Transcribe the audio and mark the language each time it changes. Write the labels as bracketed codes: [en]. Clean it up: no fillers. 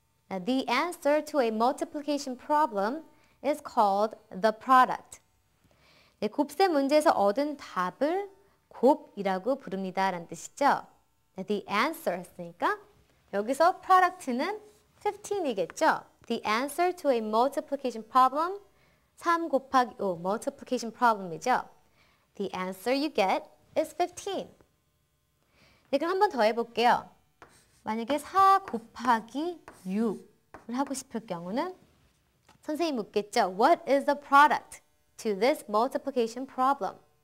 [en] Now, the answer to a multiplication problem is called the product. [ko] 네, 곱셈 문제에서 얻은 답을 곱이라고 부릅니다. 라는 뜻이죠. [en] The answer [ko] 했으니까 여기서 product는 15이겠죠. [en] The answer to a multiplication problem 3 [ko] 곱하기 [en] 5 multiplication problem이죠. The answer you get is 15. [ko] 네, 그럼 한 번 더 해볼게요. 만약에 4 곱하기 6을 하고 싶을 경우는 선생님 묻겠죠. [en] What is the product to this multiplication problem?